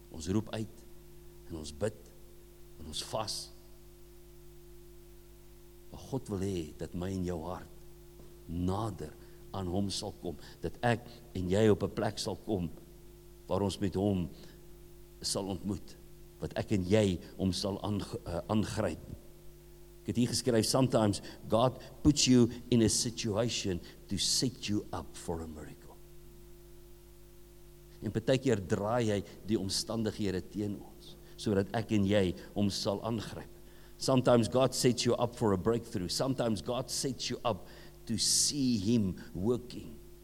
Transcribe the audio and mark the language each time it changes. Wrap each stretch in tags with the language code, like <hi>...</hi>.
<af>Ons roep uit en ons bid en ons vas. Maar God wil hê dat my en jou hart nader aan hom sal kom, dat ek en jy op 'n plek sal kom waar ons met hom sal ontmoet, wat ek en jy hom sal aangryp. Ek het hier geskryf,</af> <en>sometimes God puts you in a situation to set you up for a miracle.</en> <af>En partykeer draai hy die omstandighede teen ons, sodat ek en jy hom sal aangryp.</af> <en>Sometimes God sets you up for a breakthrough. Sometimes God sets you up to see him working.</en>